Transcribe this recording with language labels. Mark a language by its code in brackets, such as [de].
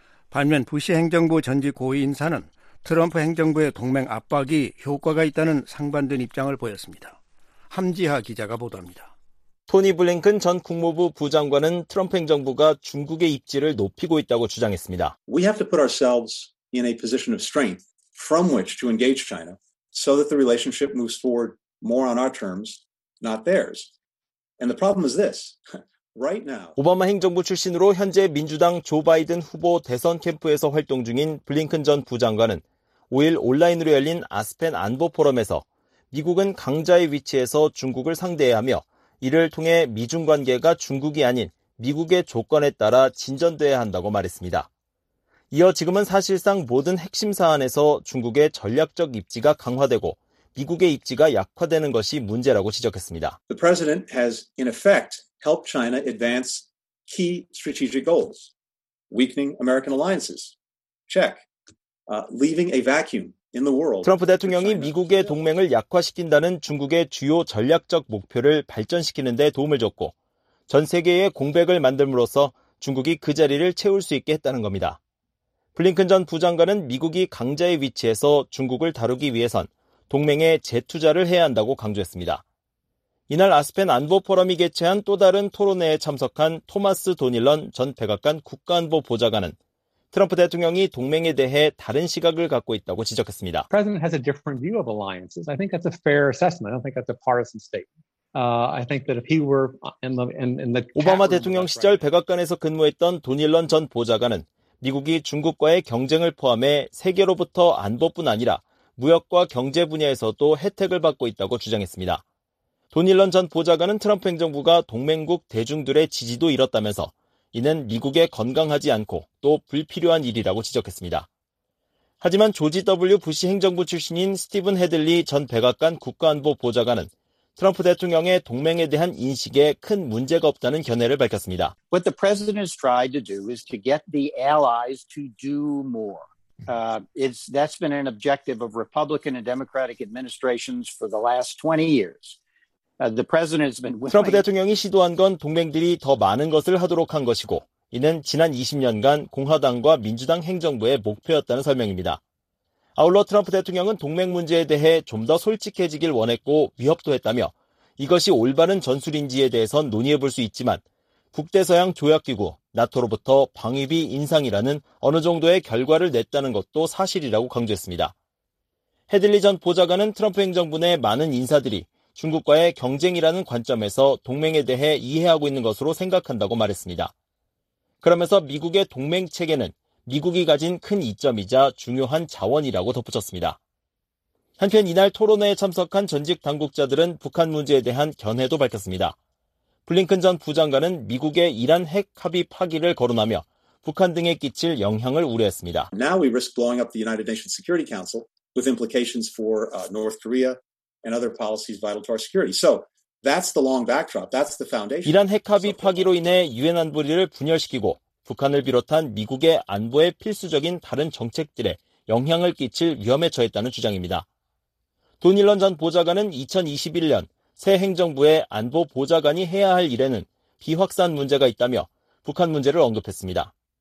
[ko] 반면 부시 행정부 전직 고위 인사는 트럼프 행정부의 동맹 압박이 효과가 있다는 상반된 입장을 보였습니다. 함지하 기자가 보도합니다. 토니 블링컨 전 국무부 부장관은 트럼프 행정부가 중국의 입지를 높이고 있다고 주장했습니다. [en] We have to put ourselves in a position of strength from which to engage China so that the relationship moves forward more on our terms, not theirs. And the problem is this. Right now. [ko] 오바마 행정부 출신으로 현재 민주당 조 바이든 후보 대선 캠프에서 활동 중인 블링컨 전 부장관은 5일 온라인으로 열린 아스펜 안보 포럼에서 미국은 강자의 위치에서 중국을 상대해야 하며 이를 통해 미중 관계가 중국이 아닌 미국의 조건에 따라 진전돼야 한다고 말했습니다. 이어 지금은 사실상 모든 핵심 사안에서 중국의 전략적 입지가 강화되고 미국의 입지가 약화되는 것이 문제라고 지적했습니다. [en] The president has in effect helped China advance key strategic goals. Weakening American alliances. Check. Leaving a vacuum. [ko] 트럼프 대통령이 미국의 동맹을 약화시킨다는 중국의 주요 전략적 목표를 발전시키는 데 도움을 줬고 전 세계의 공백을 만듦으로써 중국이 그 자리를 채울 수 있게 했다는 겁니다. 블링컨 전 부장관은 미국이 강자의 위치에서 중국을 다루기 위해선 동맹에 재투자를 해야 한다고 강조했습니다. 이날 아스펜 안보 포럼이 개최한 또 다른 토론회에 참석한 토마스 도닐런 전 백악관 국가안보 보좌관은 트럼프 대통령이 동맹에 대해 다른 시각을 갖고 있다고 지적했습니다. [en] President has a different view of alliances. I think that's a fair assessment. I don't think that's a partisan statement. I think that if he were in the [ko] 오바마 대통령 시절 백악관에서 근무했던 도닐런 전 보좌관은 미국이 중국과의 경쟁을 포함해 세계로부터 안보뿐 아니라 무역과 경제 분야에서도 혜택을 받고 있다고 주장했습니다. 도닐런 전 보좌관은 트럼프 행정부가 동맹국 대중들의 지지도 잃었다면서 이는 미국에 건강하지 않고 또 불필요한 일이라고 지적했습니다. 하지만 조지 W. 부시 행정부 출신인 스티븐 헤들리 전 백악관 국가안보 보좌관은 트럼프 대통령의 동맹에 대한 인식에 큰 문제가 없다는 견해를 밝혔습니다. [en] What the president has tried to do is to get the allies to do more. That's been an objective of Republican and Democratic administrations for the last 20 years. [ko] 트럼프 대통령이 시도한 건 동맹들이 더 많은 것을 하도록 한 것이고 이는 지난 20년간 공화당과 민주당 행정부의 목표였다는 설명입니다. 아울러 트럼프 대통령은 동맹 문제에 대해 좀 더 솔직해지길 원했고 위협도 했다며 이것이 올바른 전술인지에 대해선 논의해볼 수 있지만 북대서양 조약기구 나토로부터 방위비 인상이라는 어느 정도의 결과를 냈다는 것도 사실이라고 강조했습니다. 헤들리 전 보좌관은 트럼프 행정부 내 많은 인사들이 중국과의 경쟁이라는 관점에서 동맹에 대해 이해하고 있는 것으로 생각한다고 말했습니다. 그러면서 미국의 동맹 체계는 미국이 가진 큰 이점이자 중요한 자원이라고 덧붙였습니다. 한편 이날 토론회에 참석한 전직 당국자들은 북한 문제에 대한 견해도 밝혔습니다. 블링컨 전 부장관은 미국의 이란 핵 합의 파기를 거론하며 북한 등에 끼칠 영향을 우려했습니다. [en] Now we risk blowing up the United Nations Security Council with implications for North Korea and other policies vital to our security. So that's the long backdrop. That's the foundation. [ko] 이란 핵 합의 파기로 인해 유엔 안보리를 분열시키고 북한을 비롯한 미국의 안보에 필수적인 다른 정책들에 영향을 끼칠 위험에 처했다는 주장입니다. 돈 일런 전 보좌관은 2021년 새 행정부의 안보 보좌관이 해야 할 일에는 비확산 문제가 있다며 북한 문제를 언급했습니다.